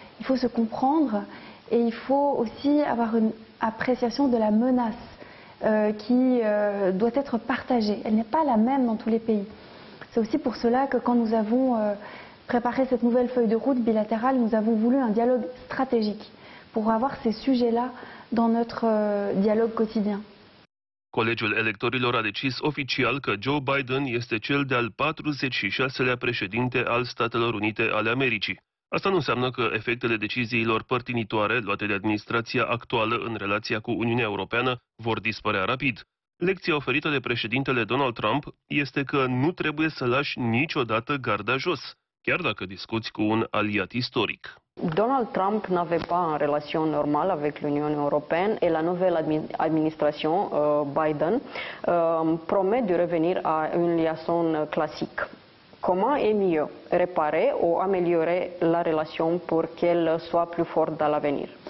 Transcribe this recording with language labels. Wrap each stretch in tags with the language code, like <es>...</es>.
<fr>Il faut se comprendre et il faut aussi avoir une appréciation de la menace qui doit être partagée. Elle n'est pas la même dans tous les pays. C'est aussi pour cela que quand nous avons préparer cette nouvelle feuille de route bilatérale, nous avons voulu un dialogue stratégique pour avoir ces sujets-là dans notre dialogue quotidien.</fr> <ro>Colegiul electorilor a decis oficial că Joe Biden este cel de-al 46-lea președinte al Statelor Unite ale Americii. Asta nu înseamnă că efectele deciziilor părtinitoare luate de administrația actuală în relația cu Uniunea Europeană vor dispărea rapid. Lecția oferită de președintele Donald Trump este că nu trebuie să lași niciodată garda jos. Chiar dacă discuți cu un aliat istoric.</ro> <fr>Donald Trump n'avait pas une relation normale avec l'Union européenne et la nouvelle administration Biden promet de revenir à une liaison classique. Comment est mieux réparer ou améliorer la relation pour qu'elle soit plus forte dans l'avenir?</fr>